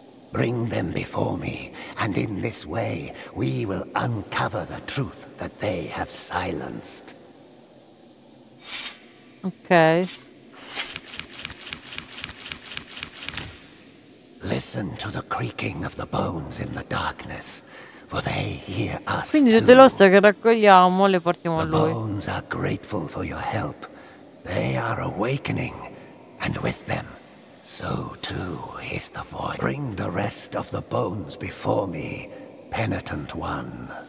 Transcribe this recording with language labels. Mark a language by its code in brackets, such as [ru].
[en] Bring them before me, and in this way, we will uncover the truth that they have silenced. Okay. Listen to the creaking of the bones in the darkness. For they hear us. [it] Quindi tutte le ossa che raccogliamo le portiamo a lui. [en] The bones are grateful for your help. They are awakening, and with them, so too is the void. Bring the rest of the bones before me, penitent one.